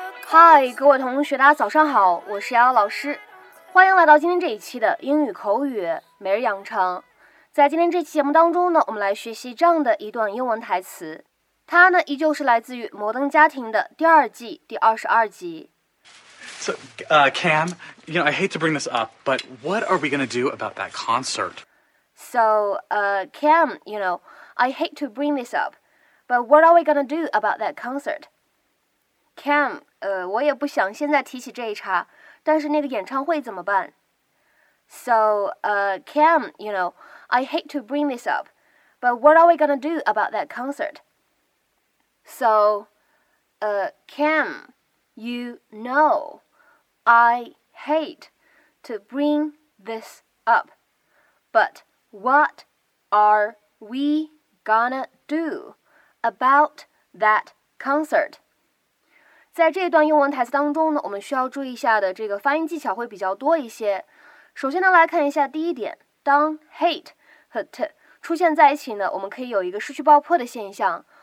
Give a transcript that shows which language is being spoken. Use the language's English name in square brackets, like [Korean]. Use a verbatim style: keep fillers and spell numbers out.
[Chinese] 嗨，各位同学，大家早上好，我是瑶瑶老师，欢迎来到今天这一期的英语口语每日养成。在今天这期节目当中呢，我们来学习这样的一段英文台词，它呢依旧是来自于《摩登家庭》的第二季第二十二集。 [English] So, uh, Cam, you know, I hate to bring this up, but what are we going to do about that concert? So, uh, Cam, you know, I hate to bring this up, but what are we going to do about that concert? Cam, [Chinese] 呃，我也不想现在提起这一茬，但是那个演唱会怎么办 [English] ？So, uh, Cam, you know, I hate to bring this up, but what are we gonna do about that concert? So, uh, Cam, you know, I hate to bring this up, but what are we gonna do about that concert? [Chinese] 在这段英文台词当中呢，我们需要注意一下的这个发音技巧会比较多一些。首先呢，来看一下第一点，当 hate 和 t 出现在一起呢，我们可以有一个失去爆破的现象。